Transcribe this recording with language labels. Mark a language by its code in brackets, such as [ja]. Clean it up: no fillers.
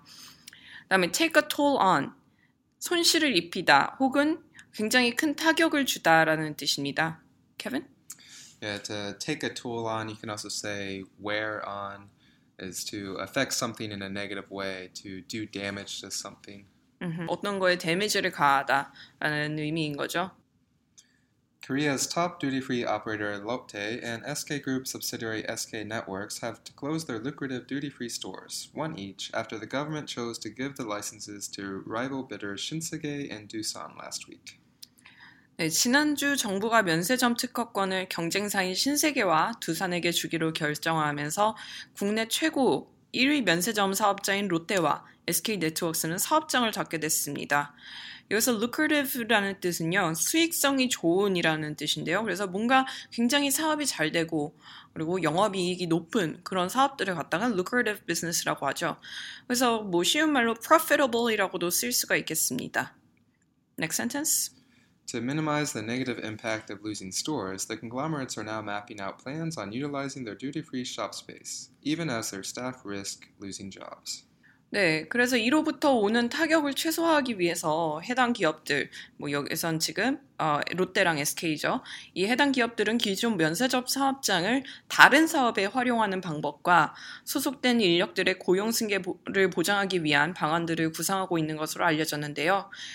[ko] 그 다음에 take a toll on, 손실을 입히다 혹은 굉장히 큰 타격을 주다라는 뜻입니다. Kevin? [en] Yeah, to take a toll on, you can also say wear on is to affect something in a negative way, to do damage to something. Mm-hmm. [ko] 어떤 거에 데미지를 가하다라는 의미인 거죠. [en] Korea's top duty-free operator Lotte and SK Group subsidiary SK Networks have to close their lucrative duty-free stores, one each, after the government chose to give the licenses to rival bidders Shinsegae and Doosan last week. [ko] 네, 지난주 정부가 면세점 특허권을 경쟁사인 신세계와 두산에게 주기로 결정하면서 국내 최고 1위 면세점 사업자인 롯데와 SK 네트워크스는 사업장을 잡게 됐습니다. 여기서 lucrative라는 뜻은요, 수익성이 좋은이라는 뜻인데요. 그래서 뭔가 굉장히 사업이 잘 되고 그리고 영업이익이 높은 그런 사업들을 갖다가 lucrative business라고 하죠. 그래서 뭐 쉬운 말로 profitable이라고도 쓸 수가 있겠습니다. [en] Next sentence. To minimize the negative impact of losing stores, the conglomerates are now mapping out plans on utilizing their duty-free shop space, even as their staff risk losing jobs. [ko] 네, 그래서 이로부터 오는 타격을 최소화하기 위해서 해당 기업들, 뭐 여기선 지금 롯데랑 SK죠. 이 해당 기업들은 기존 면세점 사업장을 다른 사업에 활용하는 방법과 소속된 인력들의 고용 승계를 보장하기 위한 방안들을 구상하고 있는 것으로 알려졌는데요.